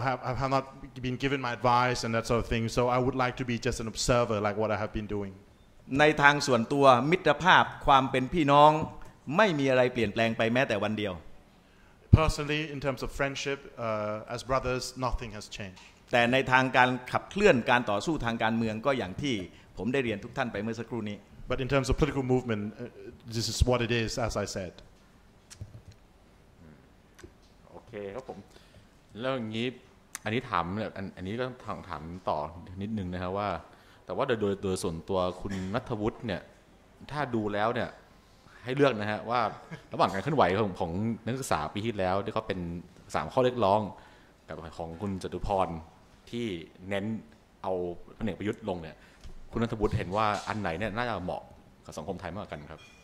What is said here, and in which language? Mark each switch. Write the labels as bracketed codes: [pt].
[en] I have not been given my advice and that sort of thing. So I would like to be just an observer, like what I have been doing. [th] ในทางส่วนตัวมิตรภาพความเป็นพี่น้องไม่มีอะไรเปลี่ยนแปลงไปแม้แต่วันเดียว [en] Personally, in terms of friendship, as brothers, nothing has changed. [th] แต่ในทางการขับเคลื่อนการต่อสู้ทางการเมืองก็อย่างที่ผมได้เรียนทุกท่านไปเมื่อสักครู่นี้ [en] But in terms of political movement, this is what it is, as I said. [th] Okay, ครับผมแล้วอย่างนี้อันนี้ถามอันนี้ก็ถามต่อนิดนึงนะครับว่าแต่ว่าโดยส่วนตัวคุณณัฐวุฒิเนี่ยถ้าดูแล้วเนี่ยให้เลือกนะฮะว่าระหว่างการเคลื่อนไหวของนักศึกษาปีที่แล้วที่เขาเป็น3ข้อเรียกร้องกับของคุณจตุพรที่เน้นเอาพลเอกประยุทธ์ลงเนี่ยคุณณัฐวุฒิเห็นว่าอันไหนเนี่ยน่าจะเหมาะกับสังคมไทยมากกันครับ